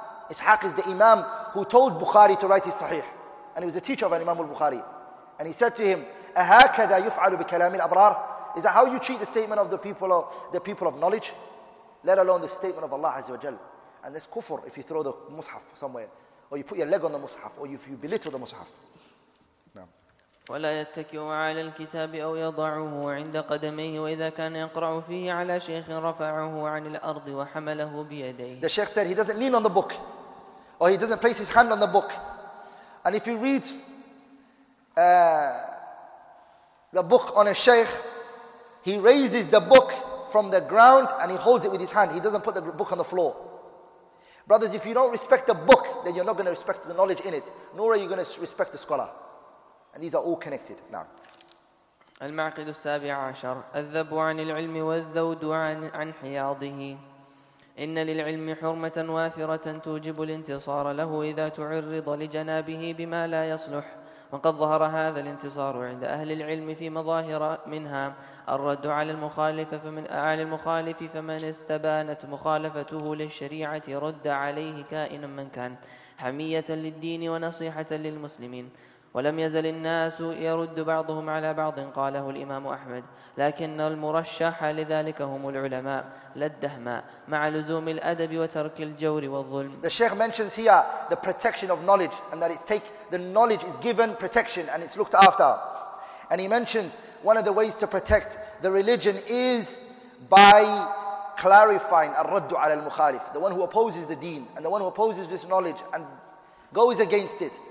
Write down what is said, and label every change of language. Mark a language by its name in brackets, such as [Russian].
[English] Ishaq is the imam who told Bukhari to write his sahih, and he was the teacher of Imam al-Bukhari. And he said to him, [Arabic] أَهَاكَذَا يُفْعَلُ بِكَلَامِ الْأَبْرَارِ, [English] is that how you treat the statement of the people of knowledge, let alone the statement of Allah Azza wa Jal? And there's kufr if you throw the mushaf somewhere, or you put your leg on the mushaf, or if you belittle the mushaf. [Arabic] ولا يتكئ على الكتاب أو يضعه عند قدميه, وإذا كان يقرأ فيه على شيخ رفعه عن الأرض وحمله بيديه. [English] The Sheikh said he doesn't lean on the book, or he doesn't place his hand on the book, and if he reads the book on a sheikh, he raises the book from the ground and he holds it with his hand. He doesn't put the book on the floor. Brothers, if you don't respect the book, then you're not going to respect the knowledge in it, nor are you going to respect the scholar. And these are all connected. Now. [Arabic] المعقد السابع عشر الذب عن العلم والذود عن حياضه إن للعلم حرمة وافرة توجب الانتصار له إذا تعرض لجنابه بما لا يصلح وقد ظهر هذا الانتصار عند أهل العلم في مظاهر منها الرد على المخالف فمن استبانت مخالفته للشريعة رد عليه كائنا من كان حمية للدين ونصيحة للمسلمين ولم يزل الناس يرد بعضهم على بعض قاله الإمام أحمد لكن المرشح لذلك هم العلماء للدهماء مع لزوم الأدب وترك الجور والظلم. [English] The Sheikh mentions here the protection of knowledge and that it takes the knowledge is given protection and it's looked after. And he mentions one of the ways to protect the religion is by clarifying [Arabic] الرد على المخالف, [English] the one who opposes the deen and the one who opposes this knowledge and goes against it.